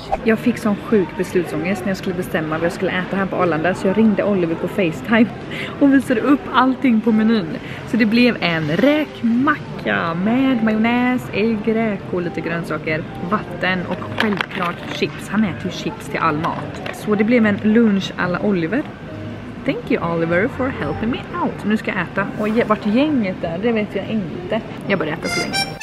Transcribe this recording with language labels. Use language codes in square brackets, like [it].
[sv] Jag fick sån sjuk beslutsångest när jag skulle bestämma vad jag skulle äta här på Arlanda. Så jag ringde Oliver på FaceTime och visade upp allting på menyn. Så det blev en räkmacka med majonnäs, ägg, räk och lite grönsaker, vatten och självklart chips. Han äter ju chips till all mat. Så det blev en lunch à la Oliver. [en] Thank you Oliver for helping me out. [sv] Nu ska jag äta. Och vart gänget är, det vet jag inte. Jag börjar äta så länge.